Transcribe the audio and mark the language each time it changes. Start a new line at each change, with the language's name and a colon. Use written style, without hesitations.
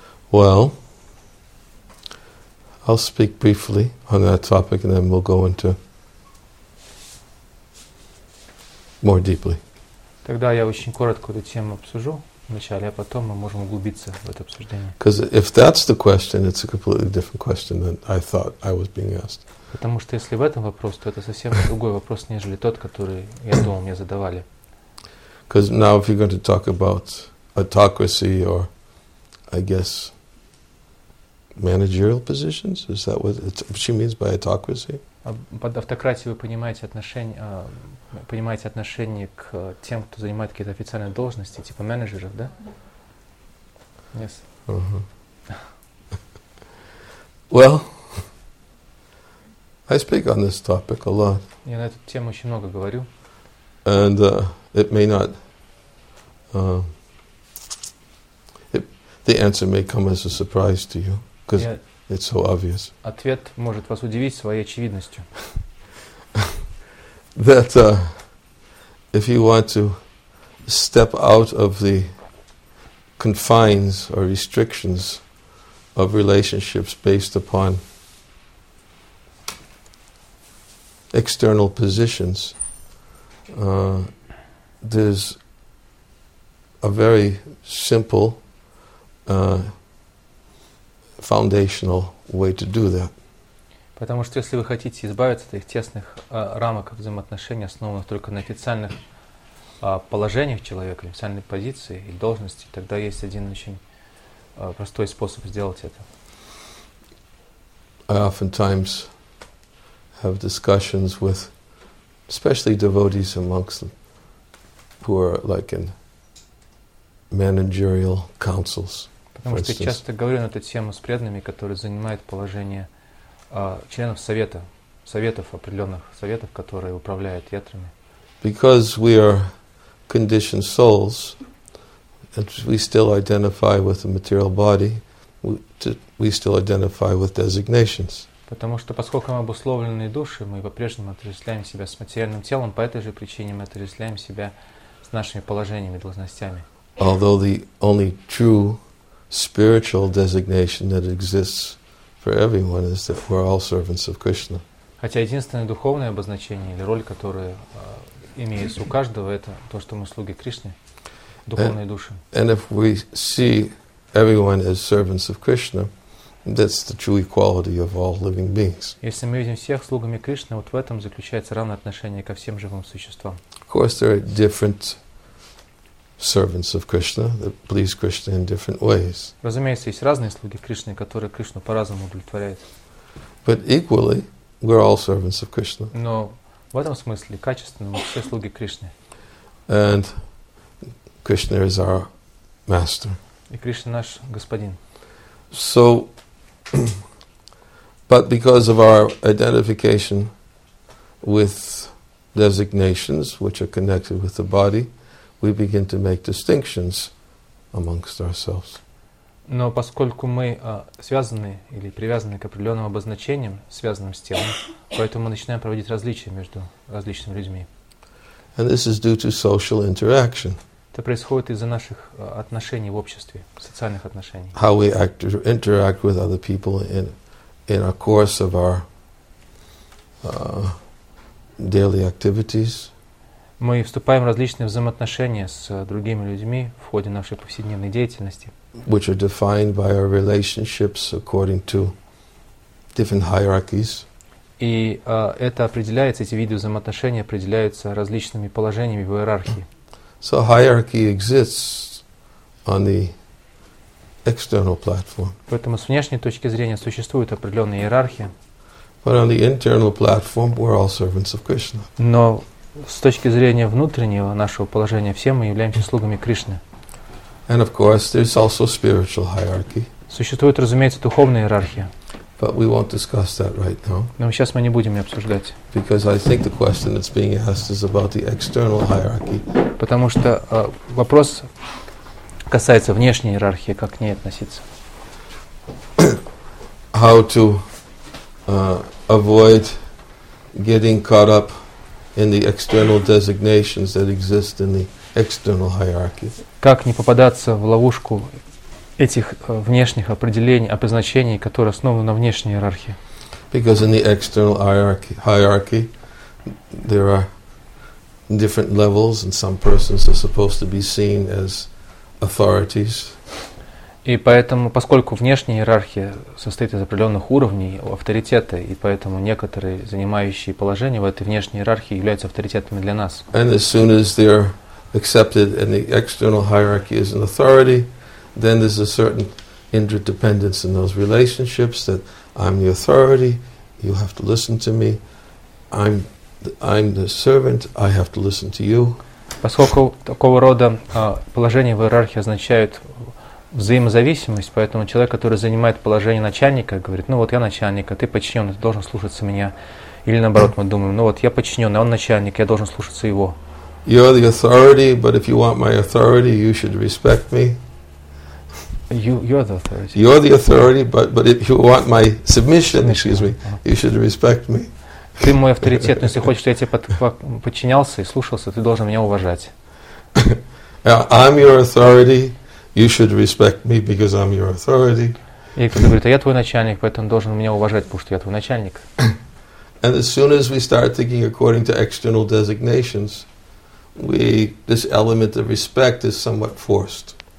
English: Well, I'll speak briefly on that topic and then we'll go into more deeply.
Russian: Тогда я очень коротко эту тему обсужу вначале, а потом мы можем углубиться в это обсуждение.
English: Because if that's the question, it's a completely different question than I thought I was being asked.
Russian: Потому что если в этом вопрос, то это совсем другой вопрос, нежели тот, который я думал, мне задавали.
English: Because now if you're going to talk about autocracy or, I guess, managerial positions? Is that what she means by autocracy?
Russian: Под автократией вы понимаете отношение к тем, кто занимает какие-то официальные должности, типа менеджеров, да?
English: Yes. Uh-huh. Well, I speak on this topic a lot.
Russian: Я на эту тему очень много говорю.
English: And it may not... the answer may come as a surprise to you. Because it's so obvious.
Russian: Ответ может вас удивить своей очевидностью.
English: That if you want to step out of the confines or restrictions of relationships based upon external positions, there's a very simple foundational way to do that.
Russian: Потому что если вы хотите избавиться от этих тесных рамок взаимоотношений, основанных только на официальных положениях человека, официальной позиции и должности, тогда есть один очень простой способ сделать это.
English: I oftentimes have discussions with especially devotees amongst them who are like in managerial councils.
Russian: Потому что я часто говорю на эту тему с преданными, которые занимают положение членов совета, советов определенных, советов, которые управляют ветрами.
English: Because we are conditioned souls, and we still identify with the material body, we still identify with designations.
Russian: Потому что поскольку мы обусловленные души, мы по-прежнему отождествляем себя с материальным телом, по этой же причине мы отождествляем себя с нашими положениями, должностями.
English: Although the only true spiritual designation that exists for everyone is that we're all servants of Krishna.
Russian: Хотя единственное духовное обозначение или роль, которая имеется у каждого, это то, что мы слуги Кришны, духовные души.
English: And if we see everyone as servants of Krishna, that's the true equality of all living beings.
Russian: Если мы видим всех слугами Кришны, вот в этом заключается равное отношение ко всем живым существам.
English: Of course, there are different servants of Krishna that please Krishna in different ways.
Russian: Разумеется, есть разные слуги Кришны, которые Кришну по-разному удовлетворяют.
English: But equally, we're all servants of Krishna.
Russian: Но в этом смысле качественно мы все слуги Кришны.
English: And Krishna is our master.
Russian: И Кришна наш господин.
English: So, but because of our identification with designations which are connected with the body, we begin to make distinctions amongst ourselves.
Russian: Но поскольку мы связаны или привязаны к определенным обозначениям, связанным с телом, поэтому мы начинаем проводить различия между различными людьми.
English: And this is due to social interaction.
Russian: Это происходит из-за наших отношений в обществе, социальных отношений.
English: How we act or interact with other people in a course of our daily activities.
Russian: Мы вступаем в различные взаимоотношения с другими людьми в ходе нашей повседневной деятельности.
English: Which are defined by our relationships according to different hierarchies.
Russian: И это определяется, эти виды взаимоотношений определяются различными положениями в иерархии.
English: So hierarchy exists on the external platform.
Russian: Поэтому с внешней точки зрения существует определенная иерархия.
English: But on the internal platform, we're all servants of Krishna.
Russian: Но с точки зрения внутреннего нашего положения, все мы являемся слугами Кришны.
English: And of course, there's also spiritual hierarchy.
Russian: Существует, разумеется, духовная иерархия.
English: But we won't discuss that right now.
Russian: Но сейчас мы не будем ее обсуждать.
English: Because I think the question that's being asked is about the external hierarchy.
Russian: Потому что вопрос касается внешней иерархии, как к ней относиться.
English: How to avoid getting caught up in the external designations that exist in the external hierarchy.
Russian: Как не попадаться в ловушку этих внешних определений, обозначений, которые основаны на внешней иерархии?
English: Because in the external hierarchy, there are different levels, and some persons are supposed to be seen as authorities.
Russian: И поэтому, поскольку внешняя иерархия состоит из определенных уровней авторитета, и поэтому некоторые занимающие положения в этой внешней иерархии являются авторитетами для нас.
English: And as soon as they're accepted in the external hierarchy as an authority, then there's a certain interdependence in those relationships that I'm the authority, you have to listen to me, I'm the servant, I have to listen to you.
Russian: Поскольку такого рода положения в иерархии означают взаимозависимость, поэтому человек, который занимает положение начальника, говорит, ну вот я начальник, а ты подчинен, ты должен слушаться меня. Или наоборот, мы думаем, ну вот я подчинен, а он начальник, я должен слушаться его.
English: You're the authority, but if you want my authority, you should respect me. You're the authority. You're the authority, but if you want my submission, excuse me, you should respect me.
Russian: Ты мой авторитет, но если хочешь, чтобы я тебе подчинялся и слушался, ты должен меня уважать.
English: I'm your authority, you should respect me because I'm your authority.
Russian: И кто-то говорит, а я твой начальник, поэтому должен меня уважать, потому что я твой начальник.
English: And as soon as we start thinking according to external designations, this element of respect is somewhat forced.